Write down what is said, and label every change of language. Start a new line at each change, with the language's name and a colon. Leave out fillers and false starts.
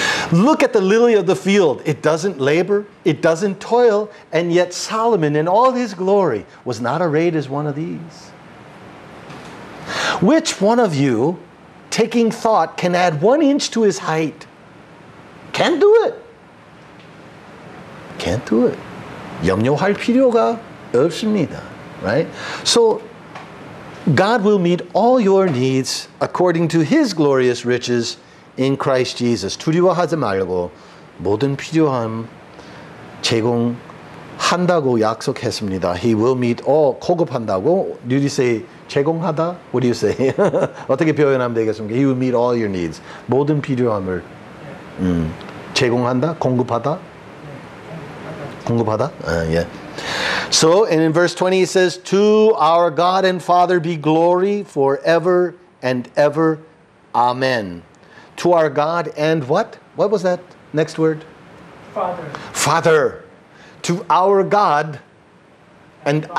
English: Look at the lily of the field. It doesn't labor, it doesn't toil, and yet Solomon in all his glory was not arrayed as one of these. Which one of you, taking thought, can add one inch to his height? Can't do it. Can't do it.
Korean: 염려할 필요가 없습니다.
English: Right? So, God will meet all your needs according to his glorious riches in Christ Jesus.
Korean: 두려워하지 말고 모든 필요함 제공한다고 약속했습니다.
English: He will meet all. 고급한다고? Do you say 제공하다? What do you say?
Korean: 어떻게 표현하면 되겠습니까?
English: He will meet all your needs.
Korean: 모든 필요함을 제공한다? 공급하다? 공급하다? Yeah.
English: So, and in verse 20 it says, to our God and Father be glory forever and ever. Amen. To our God and what? What was that next word? Father. Father. To our God and Father.